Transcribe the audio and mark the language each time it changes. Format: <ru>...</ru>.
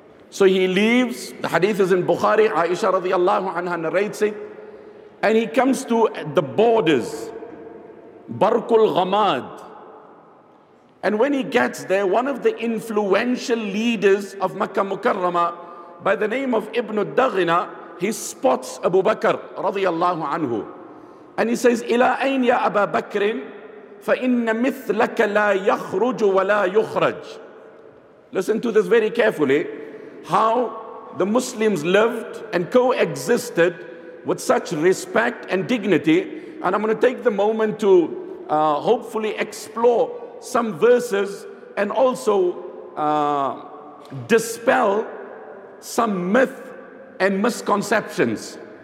<en>So he leaves, the hadith is in Bukhari, Aisha radiallahu anha narrates it, and he comes to the borders Barkul Ghamad. And when he gets there, one of the influential leaders of Makkah Mukarramah by the name of Ibn Daghina, he spots Abu Bakr radiallahu anhu. And he says,</en> <ar>إِلَىٰ أَيْنْ يَا أَبَا بَكْرٍ فَإِنَّ مِثْلَكَ لَا يَخْرُجُ وَلَا يُخْرَجُ.</ar> <en>Listen to this very carefully, how the Muslims lived and coexisted with such respect and dignity. And I'm going to take the moment to hopefully explore some verses and also dispel some myth and misconceptions.</en>